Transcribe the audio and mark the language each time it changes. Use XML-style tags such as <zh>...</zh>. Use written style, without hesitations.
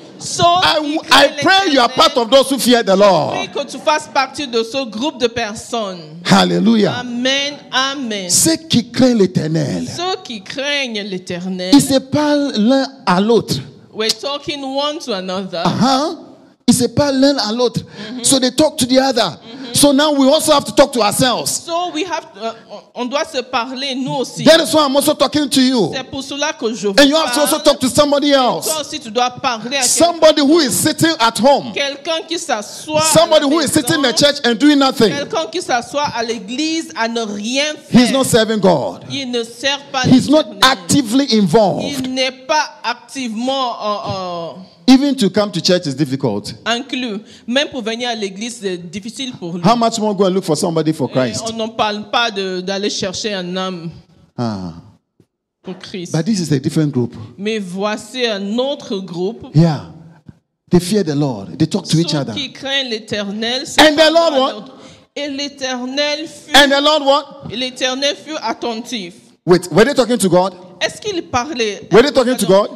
<en>So I pray you are part of those who fear the Lord.</en> <fr>Que tu fasses partie de ce groupe de personnes.</fr> <en>Hallelujah. Amen, amen.</en> <fr>Ceux qui craignent l'Éternel. Ceux qui craignent l'Éternel. Ils se parlent l'un à l'autre.</fr> <en>We're talking one to another.</en> <fr>Ils se parlent l'un à l'autre.</fr> <en>So they talk to the other. So now we also have to talk to ourselves. So we have to,</en> <fr>on doit se parler nous aussi.</fr> <en>That is why I'm also talking to you.</en> <fr>C'est pour cela que je</fr> <en>and you have</en> <fr>parle.</fr> <en>To also talk to somebody else.</en> <fr>Toi aussi, tu dois parler à</fr> <en>somebody</en> <fr>quelqu'un.</fr> <en>Who is sitting at home.</en> <fr>Quelqu'un qui s'assoit</fr> <en>somebody</en> <fr>à</fr> <en>who</en> <fr>maison.</fr> <en>Is sitting in the church and doing nothing.</en> <fr>Quelqu'un qui s'assoit à l'église à ne rien faire.</fr> <en>He's not serving God.</en> <fr>Il ne sert pas</fr> <en>He's not actively involved.</en> <fr>Il n'est pas activement</fr> <en>Even to come to church is difficult.</en> <fr>Inclus, même pour venir à l'église, c'est difficile pour lui.</fr> <en>How much more go and look for somebody for Christ?</en> <fr>On n'en parle pas d'aller chercher un homme pour Christ.</fr> <en>But this is a different group.</en> <fr>Mais voici un autre groupe.</fr> <en>Yeah, they fear the Lord. They talk to each other.</en> <fr>Ceux qui craignent l'Éternel.</fr> <en>And the Lord what?</en> <fr>Et l'Éternel fut.</fr> <en>And the Lord what?</en> <fr>Et l'Éternel fut attentif.</fr> <en>Wait, were they talking to God?</en> <fr>Est-ce qu'il parlait?</fr> <en>Were they talking to God?</en>